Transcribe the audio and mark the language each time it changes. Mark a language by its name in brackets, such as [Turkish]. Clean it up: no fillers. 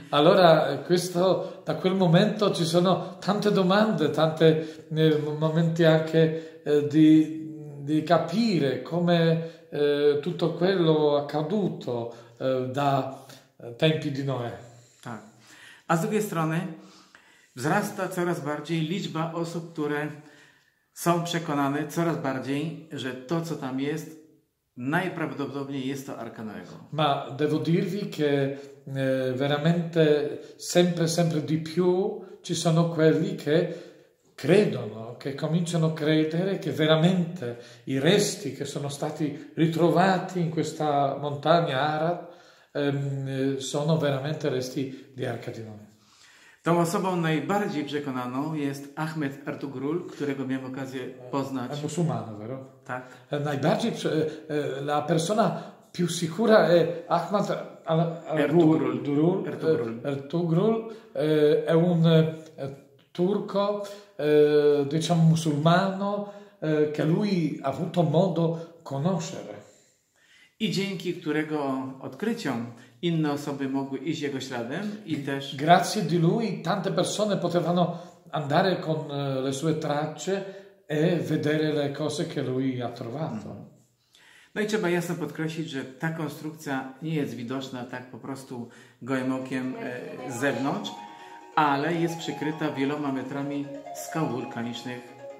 [Italian] Allora, questo, da quel momento ci sono tante domande, tante momenti anche di capire come tutto quello accaduto da tempi di Noè. [Polish] Tak. A z drugiej strony wzrasta coraz bardziej liczba osób, które są przekonane coraz bardziej, że to, co tam jest, najprawdopodobniej jest to Arka Noego. [Italian] Ma devo dirvi che veramente sempre di più ci sono quelli che credono, che cominciano a credere che veramente i resti che sono stati ritrovati in questa montagna Ararat sono veramente resti di Arka di Noè. [Polish] Tą osobą najbardziej przekonaną jest Ahmed Ertugrul, którego miałem okazję poznać. [Italian] Musulmano, vero? [Polish] Tak. Najbardziej, [Italian] la persona più sicura è Ahmed Ertugrul, un turco, diciamo musulmano, che lui ha avuto modo di conoscere. [Polish] I dzięki którego odkryciom inne osoby mogły iść jego śladem i też... [Italian] Grazie di lui tante persone potevano andare con le sue tracce e vedere le cose che lui ha trovato. [Polish] No i trzeba jasno podkreślić, że ta konstrukcja nie jest widoczna tak po prostu gołym okiem z zewnątrz, ale jest przykryta wieloma metrami skał wulkanicznych.